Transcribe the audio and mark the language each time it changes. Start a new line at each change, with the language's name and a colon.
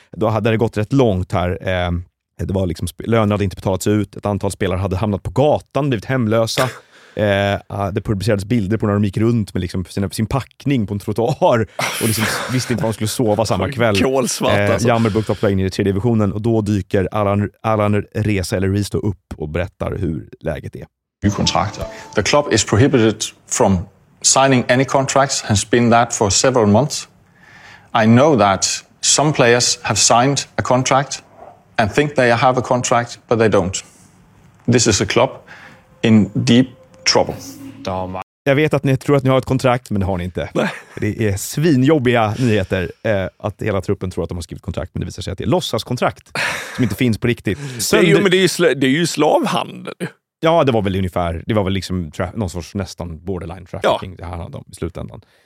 Swedish: Då hade det gått rätt långt här. Det var liksom, löner hade inte betalats ut, ett antal spelare hade hamnat på gatan, blivit hemlösa. Det publicerades bilder på när de gick runt med liksom sin packning på en trottoar och liksom visste inte var de skulle sova samma kväll. Jammerbukt var på väg ner i tredje divisionen, och då dyker Allan Reese, eller Reese, upp och berättar hur läget är.
English: New contract. The club is prohibited from signing any contracts, has been that for several months. I know that some players have signed a contract and think they have a contract, but they don't. This is a club in deep trouble.
Swedish: Jag vet att ni tror att ni har ett kontrakt, men det har ni inte. Nej. Det är svinjobbiga nyheter att hela truppen tror att de har skrivit kontrakt, men det visar sig att det är låtsaskontrakt som inte finns på riktigt. Det är ju slavhandel. Ja, det var väl ungefär, det var väl liksom någon sorts nästan
English: borderline trafficking
Swedish: det här handlade om i slutändan.